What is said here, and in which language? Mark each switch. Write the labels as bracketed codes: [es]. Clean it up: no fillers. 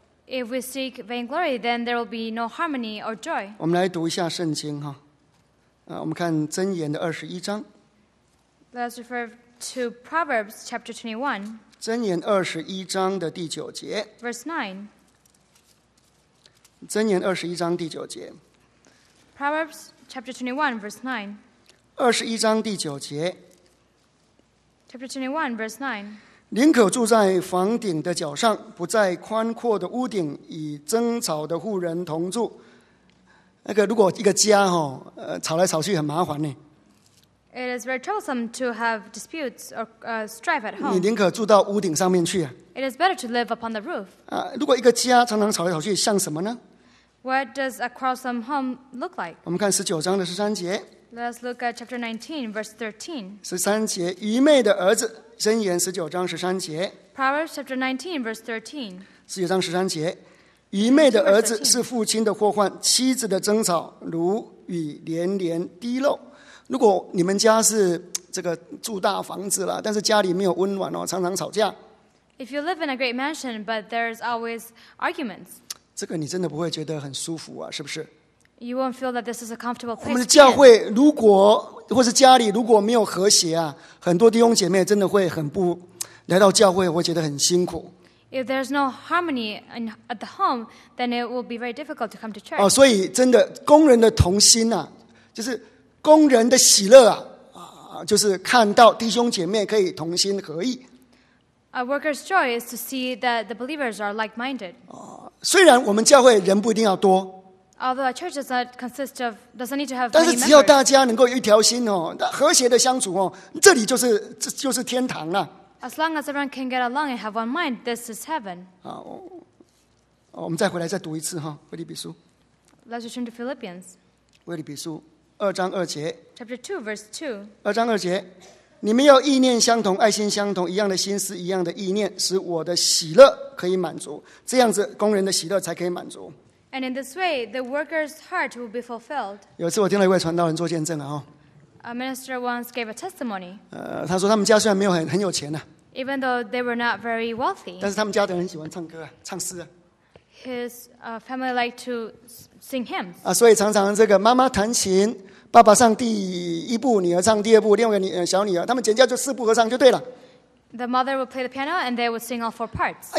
[en] If we seek vainglory, then there will be no harmony or joy. [zh] 我们来读一下圣经哈，我们看箴言的二十一章。 [en] Let's refer to Proverbs chapter 21. [zh] 箴言二十一章的第九节。 [en] Verse 9. [zh] 箴言二十一章第九节。 [en] Proverbs chapter 21, verse 9. [zh] 二十一章第九节。 [en] Chapter 21, verse 9. [zh] 宁可住在房顶的角上，不在宽阔的屋顶与争吵的户人同住。那个如果一个家吵来吵去很麻烦呢。 [en] It is very troublesome to have disputes or strife at home. [zh] 你宁可住到屋顶上面去。 [en] It is better to live upon the roof. [zh] 如果一个家常常吵来吵去，像什么呢 [en] ？What does a quarrelsome home look like? [zh] 我们看十九章的十三节。 [en] Let's look at chapter 19, verse 13. [zh] 十三节，愚昧的儿子。箴言十九章十三节。 [en] Proverbs chapter 19, verse 13. [zh] 十九章十三节，愚昧的儿子是父亲的祸患，妻子的争吵如雨连连滴漏。如果你们家是这个住大房子了，但是家里没有温暖常常吵架。 [en] If you live in a great mansion, but there's always arguments. [zh] 这个你真的不会觉得很舒服是不是？ [en] You won't feel that this is a comfortable place. [zh] 我们的教会如果或是家里如果没有和谐很多弟兄姐妹真的会很不来到教会，会觉得很辛苦。 [en] If there's no harmony at the home, then it will be very difficult to come to church. [zh] 所以真的工人的同心就是工人的喜乐就是看到弟兄姐妹可以同心合意。 [en] A worker's joy is to see that the believers are like-minded. [zh] 虽然我们教会人不一定要多。 [en] Although a church does not consist of, doesn't need to have. [zh] 但是只要大家能够一条心和谐的相处这里就是天堂了。 [en] As long as everyone can get along and have one mind, this is heaven. [zh] 我们再回来再读一次腓立比书。 [en] Let's return to Philippians. [zh] 腓立比书二章二节。 [en] Chapter 2, verse 2. [zh] 二章二节，你们要意念相同，爱心相同，一样的心思，一样的意念，使我的喜乐可以满足。这样子，工人的喜乐才可以满足。 [en] And in this way, the worker's heart will be fulfilled. [zh] 有次我听了一位传道人做见证 [en] A minister once gave a testimony. [zh] 他说他们家虽然没有很有钱 [en] Even though they were not very wealthy. [zh] 但是他们家的人很喜欢唱歌唱诗 [en] His family liked to sing hymns. [zh] 所以常常这个妈妈弹琴，爸爸唱第一部，女儿唱第二部，另外一个小女儿，他们全家就四部合唱就对了。 [en] The mother would play the piano, and they would sing all four parts.